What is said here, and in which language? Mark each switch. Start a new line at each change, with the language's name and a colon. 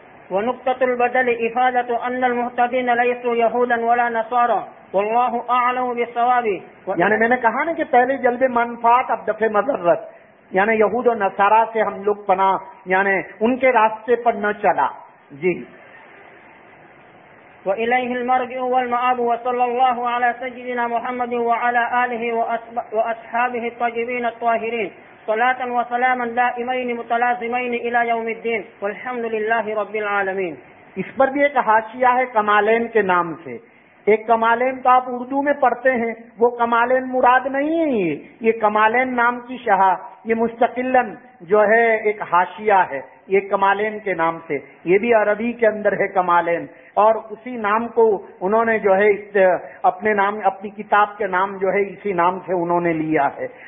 Arabic: ونقطۃ البدل افادۃ ان المهتدین لیسوا یہودا ولا نصارا واللہ اعلم بالصواب.
Urdu: یعنی میں نے کہا نا کہ پہلے جلب منفعت اب دفع مضرت, یعنی یہود و نصارہ سے ہم لوگ پناہ, یعنی ان کے راستے پر نہ چلا. جی
Arabic: وإليه المرجع والمآب وصلى الله على سيدنا محمد وعلى آله وأصحابه الطيبين الطاهرين صلاة وسلاما دائمين متلازمين إلى يوم الدين والحمد لله رب العالمين.
Urdu: اس پر بھی ایک حاشیہ ہے کمالین کے نام سے. ایک کمالین تو آپ اردو میں پڑھتے ہیں, وہ کمالین مراد نہیں ہے. یہ کمالین نام کی شہ, یہ مستقلن جو ہے ایک حاشیہ ہے یہ کمالین کے نام سے. یہ بھی عربی کے اندر ہے کمالین, اور اسی نام کو انہوں نے جو ہے اپنے نام اپنی کتاب کے نام جو ہے اسی نام سے انہوں نے لیا ہے.